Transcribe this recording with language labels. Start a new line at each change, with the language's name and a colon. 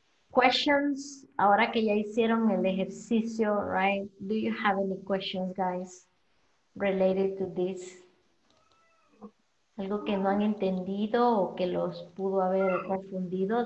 Spanish: Questions, ahora que ya hicieron el ejercicio, right?
English: Do you have any questions, guys, related to this?
Spanish: Algo que no han entendido o que los pudo haber confundido.